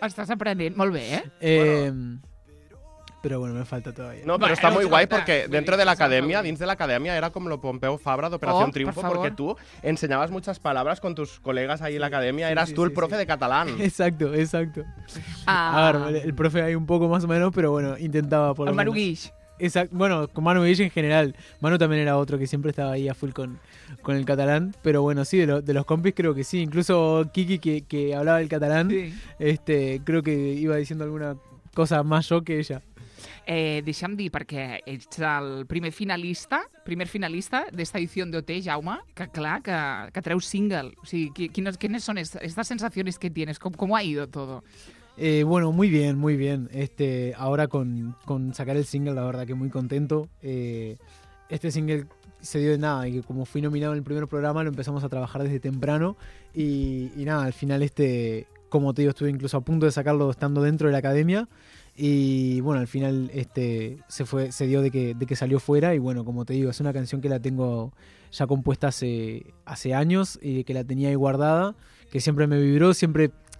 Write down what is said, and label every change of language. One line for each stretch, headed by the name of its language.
Catalan: Estàs aprenent, molt bé, eh? Però
Spanish: bueno, me falta todavía.
Catalan: No, però està molt guai perquè
Spanish: dentro de
Catalan: l'acadèmia, dins de l'acadèmia, era com lo Pompeu Fabra d'Operació Triunfo, perquè tu ensenyaves moltes paraules
Spanish: con tus col·legues ahí en
Catalan: l'acadèmia,
Spanish: eras tu el profe de català. Exacto. A ver, el profe ahí un poco más o menos, pero bueno, intentaba por lo menos. Manu Guix. Exacto, bueno, con Manu Guix en general. Manu también era otro que siempre estaba ahí a full con el catalán, pero bueno, sí, de los compis creo que sí, incluso Kiki que hablaba el catalán, sí. Creo que iba diciendo alguna cosa más yo que ella.
Catalan: Deixa'm dir, perquè ets el primer finalista d'esta edició d'OT, Jaume, que clar, que treus single, o sigui, quines són estas sensacions
Spanish: que tienes,
Catalan: com
Spanish: ha ido todo? Bueno, muy bien, muy bien. Ahora con sacar el single, la verdad que muy contento. Este single se dio de nada y como fui nominado en el primer programa lo empezamos a trabajar desde temprano y nada, al final como te digo, estuve incluso a punto de sacarlo estando dentro de la academia y bueno, al final se dio de que salió fuera y bueno, como te digo, es una canción que la tengo ya compuesta hace años y que la tenía ahí guardada, que siempre me vibró, siempre